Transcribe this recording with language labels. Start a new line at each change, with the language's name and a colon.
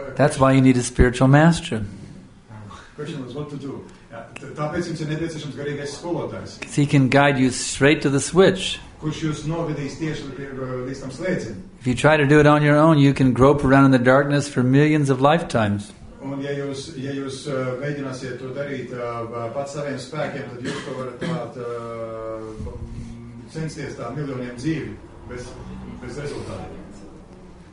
English: That's why you need a spiritual master. Question was what to do.
Latvian: Tāpēc jums ir nepieciešams garīgais skolotājs.
English: So he can guide you straight to the switch.
Latvian: Kurš jūs novedīs tieši līdz tam slēdzim.
English: If you try to do it on your own, you can grope around in the darkness for millions of lifetimes.
Latvian: Un ja jūs, ja jūs mēģināsiet to darīt pats saviem spēkiem, tad jūs to varat tāt censties tā miljoniem dzīvi bez, bez rezultāta.